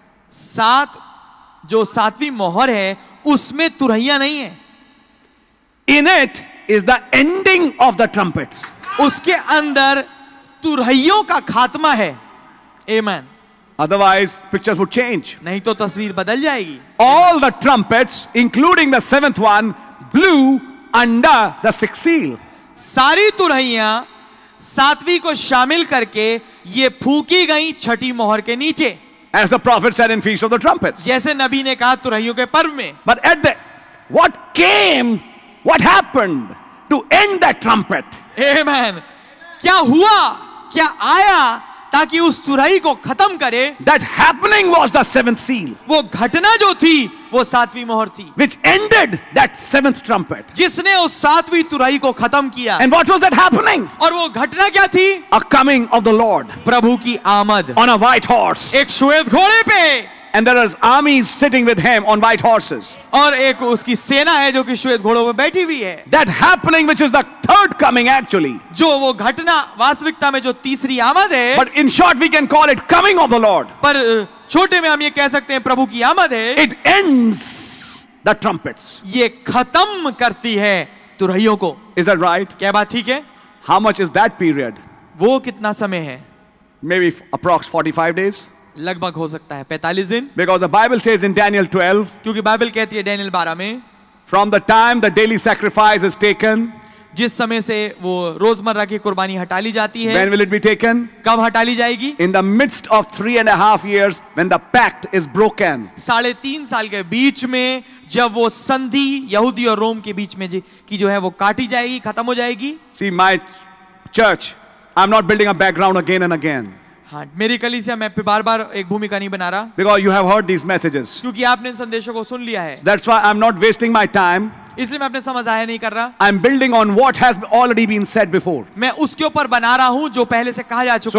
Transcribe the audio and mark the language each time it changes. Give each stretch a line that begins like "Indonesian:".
Hindi: सात जो सातवीं मोहर है उसमें तुरहिया नहीं है
English: In it is the ending of the trumpets.
Hindi: उसके अंदर तुरहियों का खात्मा है Amen.
English: Otherwise, pictures would change.
Hindi: नहीं तो तस्वीर बदल जाएगी.
English: All the trumpets, including the seventh one, blew under the sixth seal.
Hindi: सारी तुरहियां सातवीं को शामिल करके ये फूकी गईं छठी मोहर के नीचे.
English: As the prophet said in Feast of the Trumpets.
Hindi: जैसे नबी ने कहा तुरहियों के पर्व में.
English: But at the what came, what happened to end that trumpet?
Hindi: Amen. क्या हुआ? क्या आया? ताकि उस तुरही को खत्म करे
English: That happening was the seventh seal.
Hindi: वो घटना जो थी वो सातवीं मोहर थी
English: Which ended that seventh trumpet.
Hindi: जिसने उस सातवीं तुरही को खत्म किया
English: And what was that happening?
Hindi: और वो घटना क्या थी
English: A coming of the Lord.
Hindi: प्रभु की आमद
English: On a white horse.
Hindi: एक श्वेत घोड़े पे
English: And there is armies sitting with him on white horses.
Hindi: और एक उसकी सेना है जो कि श्वेत घोड़ों पर बैठी हुई है.
English: That happening which is the third coming actually.
Hindi: जो वो घटना वास्तविकता में जो तीसरी आमद है.
English: But in short we can call it coming of the Lord.
Hindi: पर छोटे में हम ये कह सकते हैं प्रभु की आमद है.
English: It ends the trumpets.
Hindi: ये खत्म करती है तुरहियों को.
English: Is that right?
Hindi: क्या बात ठीक है?
English: How much is that period?
Hindi: वो कितना समय है?
English: Maybe approx 45 days.
Hindi: लगभग हो सकता है 45 दिन
English: Because the Bible says in Daniel 12
Hindi: क्योंकि बाइबल कहती है डैनियल 12 में
English: From the time the daily sacrifice is taken
Hindi: जिस समय से वो रोजमर्रा की कुर्बानी हटा ली जाती है
English: When will it be taken
Hindi: कब हटा ली जाएगी
English: In the midst of 3.5 years when the pact is broken
Hindi: 3.5 साल के बीच में जब वो संधि यहूदी और रोम के बीच में की जो है वो काटी जाएगी खत्म हो जाएगी
English: See my church I'm not building a background again and again
Hindi: हाँ मेरी कलीसिया मैं बार बार एक भूमिका नहीं बना रहा
English: Because you have heard these messages.
Hindi: क्योंकि आपने इन संदेशों को सुन लिया है
English: That's why I'm not wasting my time.
Hindi: इसलिए मैं अपने समय जाया नहीं कर रहा
English: I'm building on what has already been said before.
Hindi: मैं उसके ऊपर बना रहा हूँ जो पहले से कहा जा चुका